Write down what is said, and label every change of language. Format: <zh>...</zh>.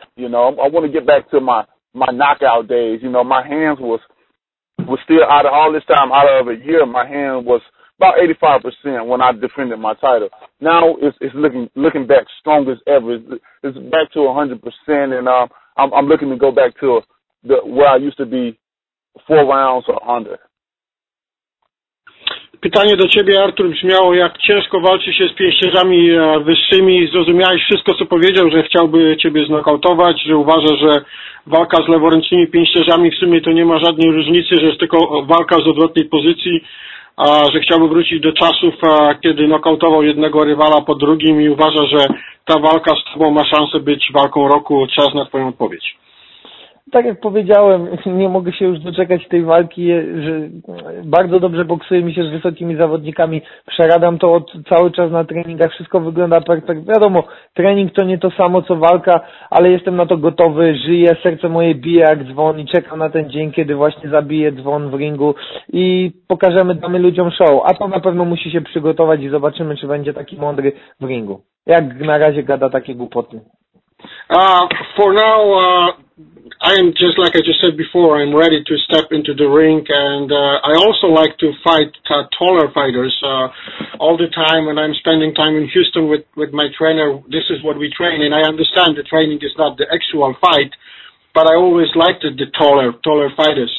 <en>You know, I want to get back to my knockout days. You know, my hands was still out of all this time, out of a year, my hand was about 85% when I defended my title. Now it's looking back strong as ever. It's back to 100%, and I'm looking to go back to where I used to be, 4 rounds or under.</en> <pl>Pytanie do ciebie, Artur, brzmiało, jak ciężko walczy się z pięściarzami wyższymi. Zrozumiałeś wszystko, co powiedział, że chciałby ciebie znokautować, że uważa, że walka z leworęcznymi pięściarzami w sumie to nie ma żadnej różnicy, że jest tylko walka z odwrotnej pozycji, a że chciałby wrócić do czasów, kiedy nokautował jednego rywala po drugim i uważa, że ta walka z tobą ma szansę być walką roku. Czas na twoją odpowiedź. Tak jak powiedziałem, nie mogę się już doczekać tej walki, że bardzo dobrze boksuje mi się z wysokimi zawodnikami, przeradam to cały czas na treningach, wszystko wygląda perfekt. Wiadomo, trening to nie to samo co walka, ale jestem na to gotowy, żyję, serce moje bije jak dzwon i czekam na ten dzień, kiedy właśnie zabiję dzwon w ringu i pokażemy, damy ludziom show. A to na pewno musi się przygotować i zobaczymy, czy będzie taki mądry w ringu. Jak na razie gada takie głupoty.</pl> <en>I am just like I just said before, I'm ready to step into the ring, and I also like to fight taller fighters all the time. When I'm spending time in Houston with my trainer, this is what we train, and I understand the training is not the actual fight, but I always liked it, the taller fighters.</en>